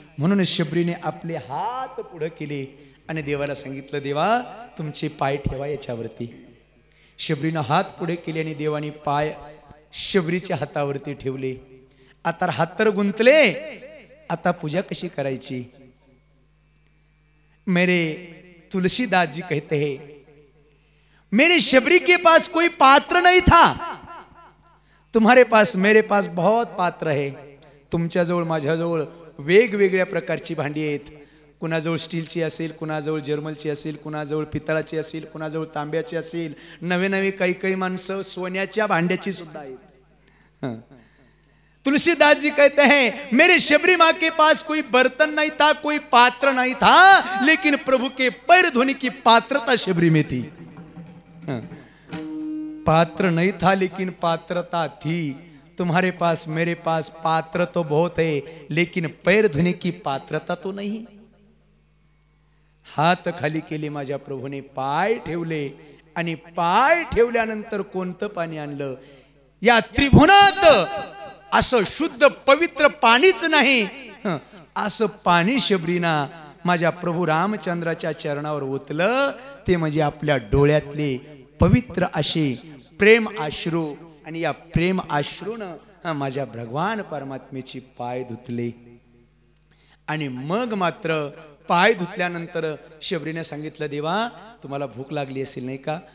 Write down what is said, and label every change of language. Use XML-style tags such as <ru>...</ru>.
<mr>म्हणून शबरीने आपले हात पुढं केले आणि देवाला सांगितलं देवा तुमचे पाय ठेवा याच्यावरती. शबरीनं हात पुढे केले आणि देवाने पाय शबरीच्या हातावरती ठेवले. आता हात तर गुंतले आता पूजा कशी करायची.</mr> <hi>मेरे तुलसीदासजी कहते हैं मेरी शबरी के पास कोई पात्र नहीं था तुम्हारे पास मेरे पास बहुत पात्र है,</hi> <mr>तुमच्याजवळ माझ्याजवळ वेगवेगळ्या प्रकारची भांडी आहेत, कुणाजवळ स्टीलची असेल, कुणाजवळ जर्मलची असेल, कुणाजवळ पितळाची असेल, कुणाजवळ तांब्याची असेल, नवे नवे काही काही माणसं सोन्याच्या भांड्याची सुद्धा आहेत।</mr> <hi>तुलसीदास जी कहते हैं मेरे शबरी माँ के पास कोई बर्तन नहीं था, कोई पात्र नहीं था, लेकिन प्रभु के पैर धोने की पात्रता शबरी में थी। पात्र नहीं था लेकिन पात्रता थी। तुम्हारे पास मेरे पास पात्र तो बहुत है लेकिन पैर धोने की पात्रता तो नहीं। हाथ खाली के लिए</hi> <mr>माझ्या प्रभु ने पाय ठेवले आणि पाय ठेवल्यानंतर कोणते पाणी आणलं या त्रिभुवनात असं शुद्ध पवित्र पाणीच नाही असं पाणी शबरीना माझ्या प्रभु रामचंद्राच्या चरणावर ओतलं ते म्हणजे आपल्या डोळ्यातले पवित्र असे प्रेम आश्रू आणि या प्रेम आश्रून माझ्या भगवान परमात्मेची पाय धुतले आणि मग मात्र पाय धुतल्यानंतर शबरीने सांगितलं देवा तुम्हाला भूक लागली असेल नाही का?</mr>